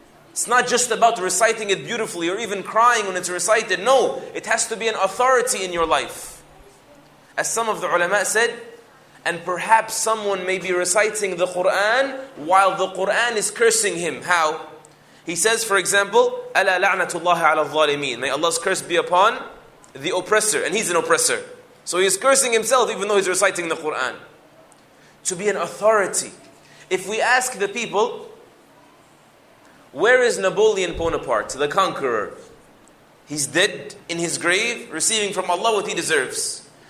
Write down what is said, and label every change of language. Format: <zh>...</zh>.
<en>It's not just about reciting it beautifully or even crying when it's recited. No, it has to be an authority in your life. As some of the ulama said, and perhaps someone may be reciting the Qur'an while the Qur'an is cursing him. How? He says, for example,</en> <ar>أَلَا لَعْنَةُ اللَّهِ عَلَى الظَّالِمِينَ.</ar> <en>May Allah's curse be upon the oppressor. And he's an oppressor. So he's cursing himself even though he's reciting the Qur'an. To be an authority. If we ask the people, where is Napoleon Bonaparte, the conqueror? He's dead in his grave, receiving from Allah what he deserves.</en>